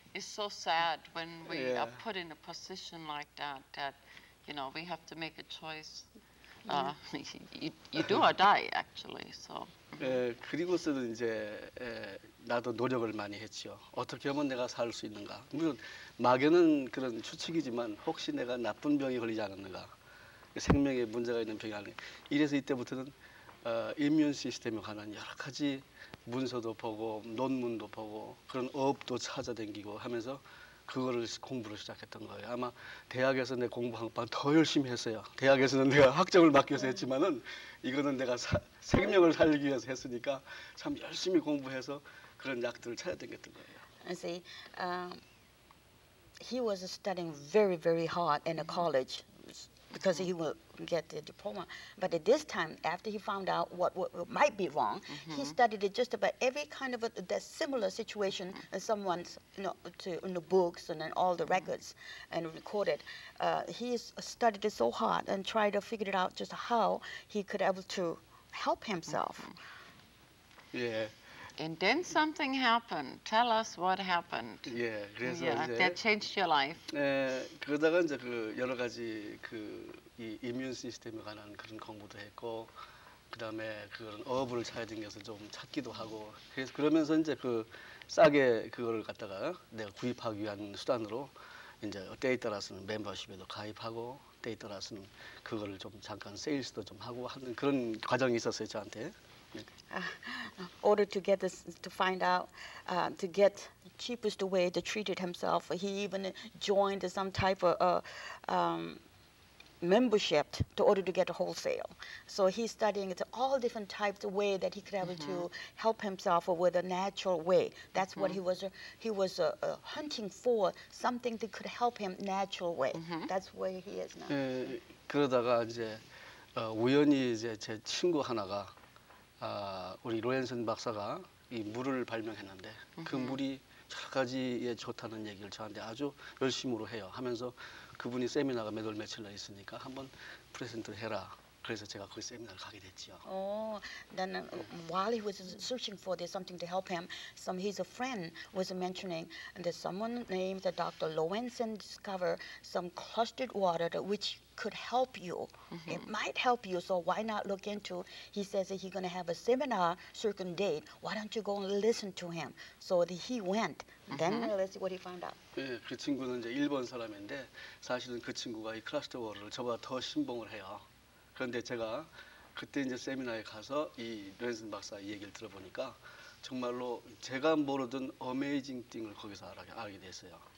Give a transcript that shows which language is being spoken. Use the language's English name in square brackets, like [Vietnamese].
[English] It's so sad when we are put in a position like that. That you know we have to make a choice. You do or die, actually. So. [Korean] 예, 그리고서는 이제 에, 나도 노력을 많이 했죠. 어떻게 하면 내가 살 수 있는가? 물론 막연한 그런 추측이지만 혹시 내가 나쁜 병이 걸리지 않았는가? 생명에 문제가 있는 병이 아닌가? 이래서 이때부터는 immune system에 관한 여러 가지 문서도 보고 논문도 보고 그런 업도 찾아다니고 하면서 그거를 공부를 시작했던 거예요. 아마 대학에서 내 공부 한 번 더 열심히 했어요. 대학에서는 내가 학점을 맡겨서 했지만은 이거는 내가 생명을 살리기 위해서 했으니까 참 열심히 공부해서 그런 약들을 찾아다녔던 거예요. [English] I see. He was studying very, very hard in a college because he will get the diploma. But at this time, after he found out what might be wrong, mm-hmm. he studied just about every kind of a similar situation as someone's, you know, to, in the books and then all the mm-hmm. records and recorded. He studied it so hard and tried to figure it out just how he could able to help himself. Mm-hmm. Yeah. And then something happened. Tell us what happened. [Korean] Yeah, 그래서 yeah, 이제 [English] that changed your life. [Korean] 에 그러다가 이제 그 여러 가지 그 이 immune system에 관한 그런 공부도 했고, 그다음에 그런 어부를 찾아다녀서 좀 찾기도 하고. 그래서 그러면서 이제 그 싸게 그거를 갖다가 내가 구입하기 위한 수단으로 이제 때에 따라서는 멤버십에도 가입하고, 때에 따라서는 그거를 좀 잠깐 세일스도 좀 하고 하는 그런 과정이 있었어요 저한테. [English] Order to get this, to find out, to get the cheapest way to treat it himself. He even joined some type of membership to order to get a wholesale. So he's studying it, all different types of way that he could have mm-hmm. to help himself with a natural way. That's mm-hmm. what he was hunting for, something that could help him natural way. Mm-hmm. That's where he is now. [Korean] 그러다가 이제 우연히 이제 제 친구 하나가 아, 우리 로렌슨 박사가 이 물을 발명했는데 mm-hmm. 그 물이 여러 가지에 좋다는 얘기를 저한테 아주 열심히 해요. 하면서 그분이 세미나가 매달 며칠 날 있으니까 한번 프레젠트를 해라. 그래서 제가 그 세미나를 가게 됐죠. [English] Oh, then while he was searching for this something to help him, some his friend was mentioning that someone named Dr. Lorenzen discovered some clustered water that which could help you. Mm-hmm. It might help you, so why not look into? He says that he's going to have a seminar certain date. Why don't you go and listen to him? So he went. Mm-hmm. Then let's see what he found out. [Korean] 예, 그 친구는 이제 일본 사람인데 사실은 그 친구가 이 클러스터 워터를 저보다 더 신봉을 해요. 그런데 제가 그때 이제 세미나에 가서 이 로렌슨 박사 얘기를 들어보니까 정말로 제가 모르던 어메이징 띵을 거기서 알게 됐어요.